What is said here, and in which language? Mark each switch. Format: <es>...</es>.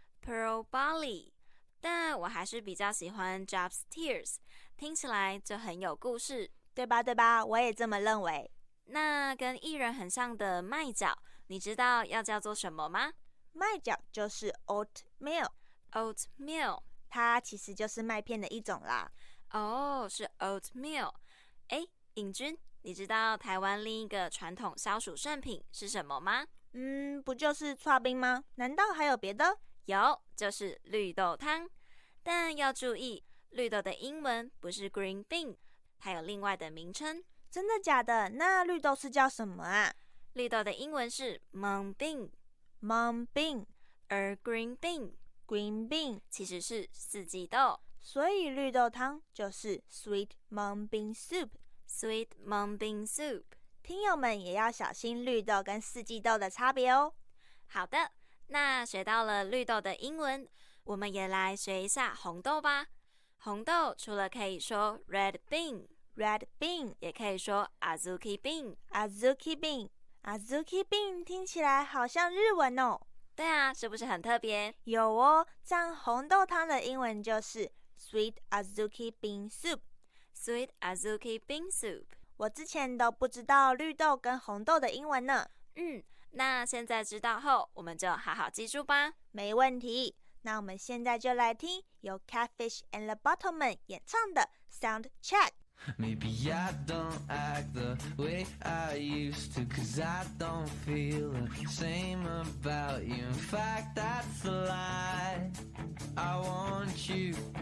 <zh>Pearl Barley， 但我还是比较喜欢 Job's Tears， 听起来就很有故事。对吧对吧，我也这么认为。那跟薏仁很像的麦角，你知道要叫做什么吗？麦角就是 Oatmeal。</zh> <en>Oatmeal</en> <zh>它其实就是麦片的一种啦。哦、oh, 是 Oatmeal。诶，尹君，你知道台湾另一个传统消暑圣品是什么吗？嗯，不就是刨冰吗？难道还有别的？有，就是绿豆汤。但要注意，绿豆的英文不是 green bean， 它有另外的名称。真的假的？那绿豆是叫什么啊？绿豆的英文是 mung bean。</zh> <en>mung bean，而 green bean， green bean</en> <zh>其实是四季豆。所以绿豆汤就是 sweet mung bean soup。</zh> <en>Sweet mung bean soup，</en> <zh>听友们也要小心绿豆跟四季豆的差别哦。好的，那学到了绿豆的英文，我们也来学一下红豆吧。红豆除了可以说 red bean，</zh> <en>red bean</en> <zh>也可以说 azuki bean， azuki bean， azuki bean 听起来好像日文哦。对啊，是不是很特别？有哦，这样红豆汤的英文就是 sweet azuki bean soup。</zh> <en>Sweet Azuki Bean Soup，</en> <zh>我之前都不知道绿豆跟红豆的英文呢。嗯，那现在知道后，我们就好好记住吧。没问题，那我们现在就来听由 Catfish and the Bottlemen 演唱的 Sound Check。</zh> <en>Maybe I don't act the way I used to, cause I don't feel the same about you. In fact, that's a lie, I want you.</en>